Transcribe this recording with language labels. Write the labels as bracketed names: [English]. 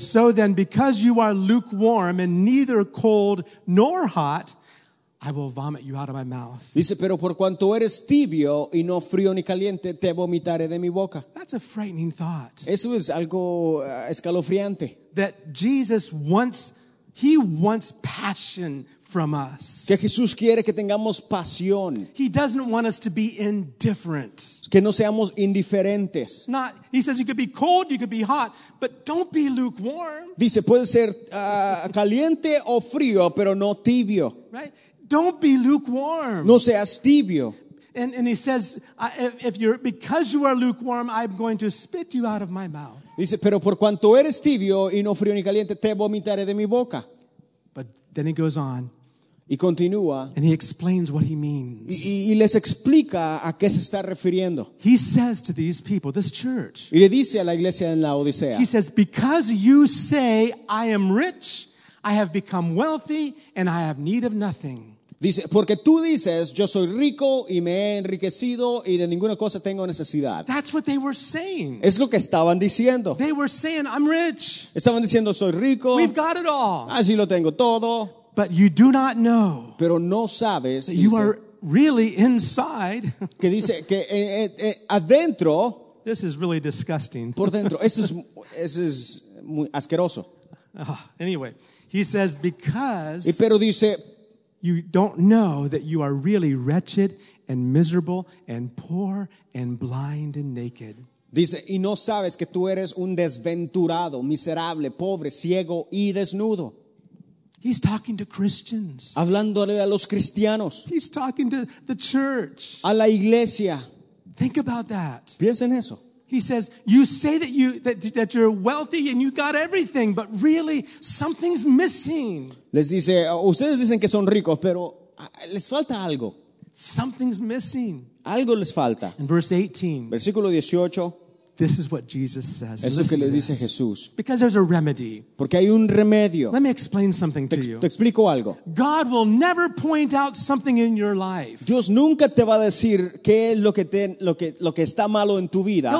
[English] So then, because you are lukewarm and neither cold nor hot, I will vomit you out of my mouth. [Spanish] Dice, pero por cuanto eres tibio y no frío ni caliente, te vomitaré de mi boca. [English] That's a frightening thought. [Spanish] Eso es algo escalofriante. [English] That Jesus wants, he wants passion from us. [Spanish] Que Jesús quiere que tengamos pasión. [English] He doesn't want us to be indifferent. [Spanish] Que no seamos indiferentes. [English] Not, he says you could be cold, you could be hot, but don't be lukewarm. [Spanish] Dice, puede ser caliente o frío, pero no tibio. [English] Right? Don't be lukewarm. [Spanish] No seas tibio. [English] And he says, if you're because you are lukewarm, I'm going to spit you out of my mouth. [Spanish] Dice, pero por cuanto eres tibio y no frío ni caliente, te vomitaré de mi boca. [English] But then he goes on. [Spanish] Y continúa. [English] And he explains what he means. [Spanish] Y les explica a qué se está refiriendo. [English] He says to these people, this church. [Spanish] Y le dice a la iglesia en la Odisea. [English] He says, because you say I am rich, I have become wealthy and I have need of nothing. [Spanish] Dice, porque tú dices, yo soy rico y me he enriquecido y de ninguna cosa tengo necesidad. [English] That's what they were saying. [Spanish] Es lo que estaban diciendo. [English] They were saying, I'm rich. [Spanish] Estaban diciendo, soy rico. [English] We've got it all. [Spanish] Así lo tengo todo. [English] But you do not know. [Spanish] Pero no sabes. [English] That you are really inside. [Spanish] Que dice que adentro. [English] This is really disgusting. [Spanish] Por dentro. Eso es muy asqueroso. [English] Anyway, he says, because [Spanish] y pero dice, [English] you don't know that you are really wretched and miserable and poor and blind and naked. [Spanish] Dice, y no sabes que tú eres un desventurado, miserable, pobre, ciego y desnudo. [English] He's talking to Christians. [Spanish] Hablándole a los cristianos. [English] He's talking to the church. [Spanish] A la iglesia. [English] Think about that. [Spanish] Piensa en eso. [English] He says, you say that that you're wealthy and you got everything, but really something's missing. [Spanish] Les dice, ustedes dicen que son ricos, pero les falta algo. [English] Something's missing. [Spanish] Algo les falta. [English] In verse 18. [Spanish] Versículo 18. [English] This is what Jesus says. [Spanish] Eso es lo que le dice Jesús. [English] Because there's a remedy. [Spanish] Porque hay un remedio. [English] Let me explain something to you. [Spanish] Te explico algo. [English] God will never point out something in your life. [Spanish] Dios nunca te va a decir qué es lo que está malo en tu vida.